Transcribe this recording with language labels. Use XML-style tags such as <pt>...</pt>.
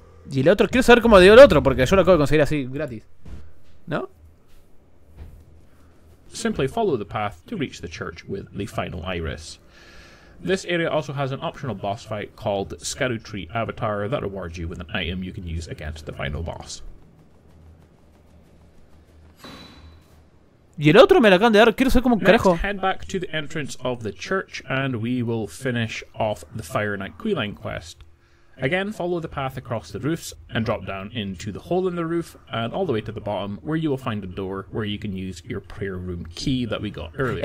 <es>Y el otro, quiero saber cómo dio el otro, porque yo lo acabo de conseguir así gratis. ¿No?</es> <en>Simply follow the path to reach the church with the final iris. This area also has an optional boss fight called Scarrow Tree Avatar that rewards you with an item you can use against the final boss.</en> <es>Y el otro me lo acaban de dar, quiero saber cómo carajo.</es> <en>Next, head back to the entrance of the church and we will finish off the Fire Knight Quillain quest. Again, follow the path across the roofs and drop down into the hole in the roof and all the way to the bottom, where you will find a door where you can use your prayer room key that we got earlier.</en>